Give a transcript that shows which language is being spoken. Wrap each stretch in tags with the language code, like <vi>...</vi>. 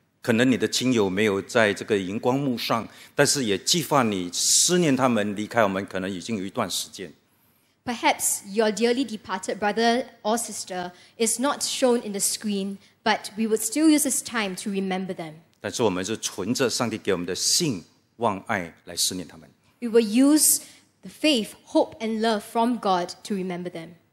<zh>可能你的亲友没有在这个荧光幕上，但是也激发你思念他们离开我们，可能已经有一段时间。</zh> <en>Perhaps your dearly departed brother or sister is not shown in the screen, but we would still use this time to remember them.</en> <zh>但是我们是存着上帝给我们的信望爱来思念他们。</zh> <en>We will use the faith, hope, and love from God to remember them.</en>